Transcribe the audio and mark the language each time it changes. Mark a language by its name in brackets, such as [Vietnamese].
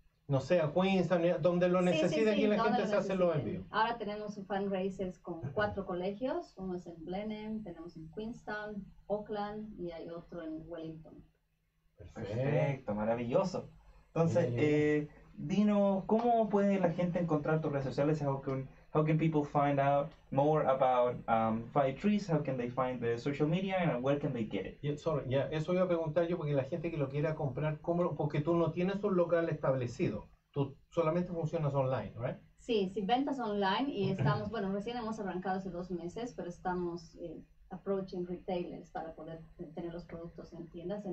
[Spanish] no sé, a Queens, donde lo necesiten, sí, sí, sí, y la gente se hace los envíos. Ahora tenemos fundraisers con 4 colegios, uno es en Blenheim, tenemos en Queenstown, Oakland y hay otro en Wellington. Perfecto, maravilloso. Entonces, Dino, ¿cómo puede la gente encontrar tus redes sociales? [English] How can people find out more about Five Trees? How can they find the social media and where can they get it? Yeah, sorry, yeah, [Spanish] eso iba a preguntar yo porque la gente que lo quiera comprar, ¿cómo? Porque tú no tienes un local establecido, tú solamente funcionas online, ¿verdad? [English] Right? [Spanish] Sí, sí, ventas online y estamos, bueno, recién hemos arrancado hace 2 meses, pero estamos [English] approaching retailers [Spanish] para poder tener los productos en tiendas.